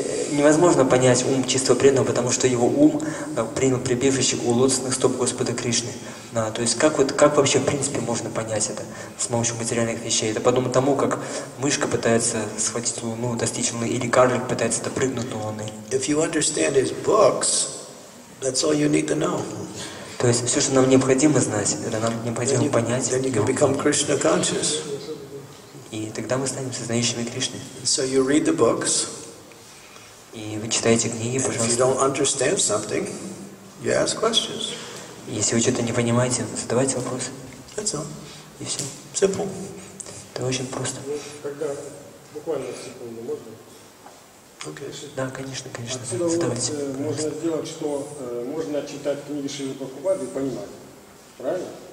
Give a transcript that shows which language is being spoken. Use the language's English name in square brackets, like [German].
[Russian] Невозможно понять ум чистого преданного, потому что его ум принял прибежище у лотосных стоп Господа Кришны. Да, то есть как вообще в принципе можно понять это с помощью материальных вещей? Это подобно тому, как мышка пытается схватить луну, достичь луны, или карлик пытается допрыгнуть до луны. [English] If you understand his books, that's all you need to know. [Russian] То есть все, что нам необходимо знать, это нам необходимо [English] then you, [Russian] понять. [English] Then you can become Krishna conscious. [Russian] И тогда мы станем сознающими Кришны. [English] So you read the books. [Russian] И вы читаете книги, пожалуйста. [English] And if you don't understand something, you ask questions. [Russian] Если вы что-то не понимаете, задавайте вопросы. [English] That's all. [Russian] И все. [English] Simple. [Russian] Это очень просто. Буквально секунду, можно? [English] Okay. [Russian] Да, конечно, конечно. Отсюда задавайте. Вот, можно сделать, что можно читать книги Шрилы Прабхупады и понимать. Правильно?